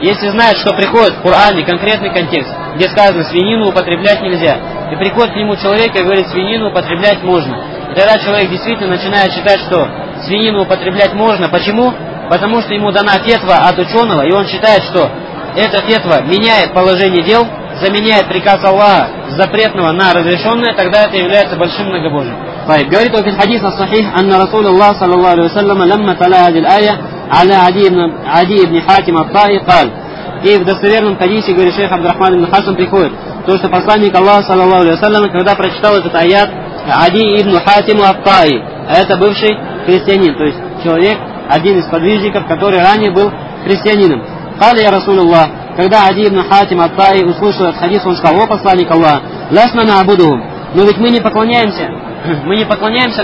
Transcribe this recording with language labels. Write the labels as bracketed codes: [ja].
[ru] Если знает, что приходит в Коране конкретный контекст, где сказано «свинину употреблять нельзя», и приходит к нему человек и говорит «свинину употреблять можно». И тогда человек действительно начинает считать, что свинину употреблять можно. Почему? Потому что ему дана фетва от ученого, и он считает, что эта фетва меняет положение дел, заменяет приказ Аллаха с запретного на разрешенное, тогда это является большим многобожием. [ar] طيب говорит في الحديث الصحيح أن رسول الله صلى الله عليه وسلم لما تلا هذه الآية على عدي بن حاتم الطائي قال. [ru] И в достоверном хадисе, говорит шейх Абдур-Рахман ибн Хасан, приходит то, что посланник Аллаха, саллаллаху алейхи ва саллям, когда прочитал этот аят, Ади ибн Хатим ат-Таи, это бывший христианин, то есть человек, один из подвижников, который ранее был христианином. Кали я Расулуллах, когда Ади ибн Хатим ат-Таи услышал этот хадис, он сказал, о посланник Аллаха, ласна на абудуху, но ведь мы не поклоняемся